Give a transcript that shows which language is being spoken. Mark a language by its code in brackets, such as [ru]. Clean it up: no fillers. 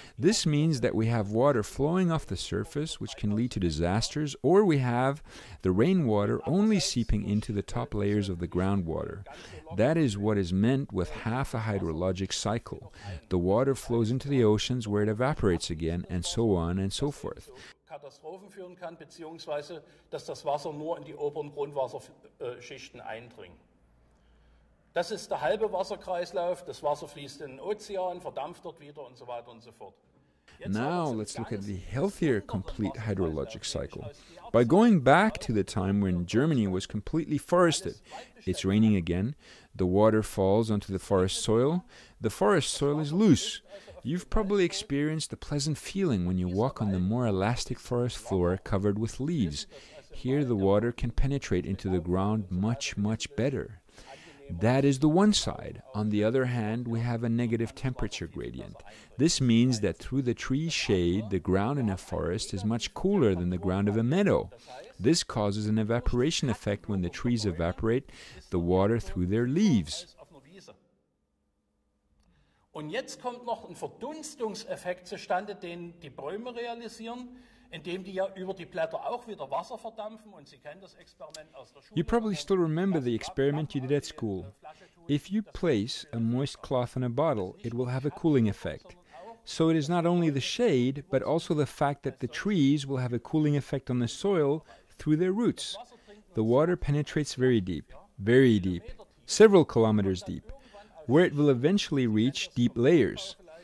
[en] This means that we have water flowing off the surface, which can lead to disasters, or we have the rainwater only seeping into the top layers of the groundwater. That is what is meant with half a hydrologic cycle. The water flows into the oceans where it evaporates again, and so on and so forth. [de] Katastrophen führen kann, beziehungsweise dass das Wasser nur in die oberen Grundwasserschichten eindringt. Das ist der halbe Wasserkreislauf, das Wasser fließt in den Ozean, verdampft dort wieder und so weiter und so fort. [en] Now let's look at the healthier complete hydrologic cycle. By going back to the time when Germany was completely forested, it's raining again, the water falls onto the forest soil is loose. You've probably experienced the pleasant feeling when you walk on the more elastic forest floor covered with leaves. Here the water can penetrate into the ground much, much better. That is the one side. On the other hand, we have a negative temperature gradient. This means that through the tree shade, the ground in a forest is much cooler than the ground of a meadow. This causes an evaporation effect when the trees evaporate the water through their leaves. [de] Und jetzt kommt noch ein Verdunstungseffekt zustande, den die Bäume realisieren, indem die ja über die Blätter auch wieder Wasser verdampfen. Und Sie kennen das Experiment aus der Schule. [en] You probably still remember the experiment you did at school. If you place a moist cloth on a bottle, it will have a cooling effect. So it is not only the shade, but also the fact that the trees will have a cooling effect on the soil through their roots. The water penetrates very deep, several kilometers deep, where it will eventually reach deep layers.